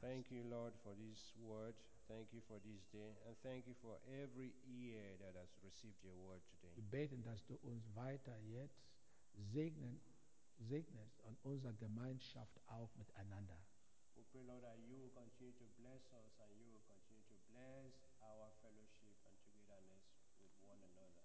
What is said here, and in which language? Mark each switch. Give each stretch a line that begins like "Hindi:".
English: Thank you, Lord, for this word. Thank you for this day. And thank you for every ear that has received your word today.
German: Wir beten, dass du uns weiter jetzt segnest und unsere Gemeinschaft auch miteinander.
English: We pray, Lord, that you will continue to bless us and you will continue to bless our fellowship and togetherness with one another.